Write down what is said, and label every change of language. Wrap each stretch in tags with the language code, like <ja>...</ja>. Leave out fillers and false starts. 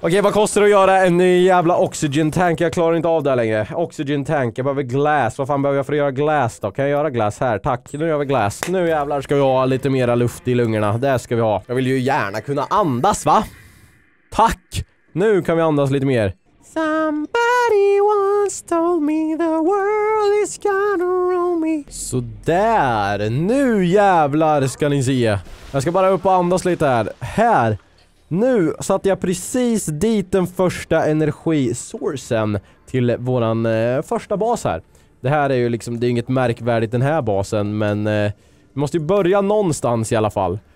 <sv>Okej, vad kostar det att göra en ny jävla oxygen tank? Jag klarar inte av det längre. Oxygen tank, jag behöver glass. Vad fan behöver jag för att göra glass då? Kan jag göra glass här? Tack, nu gör vi glass. Nu jävlar ska vi ha lite mera luft i lungorna. Det ska vi ha. Jag vill ju gärna kunna andas, va? Tack! Nu kan vi andas lite mer.</sv> <en>Somebody once told me the world is gonna roll me.</en> <sv>Så där, nu jävlar ska ni se. Jag ska bara upp och andas lite här. Här, nu satte jag precis dit den första energisourcen till våran första bas här. Det här är ju liksom, det är inget märkvärdigt den här basen, men vi måste ju börja någonstans i alla fall.</sv>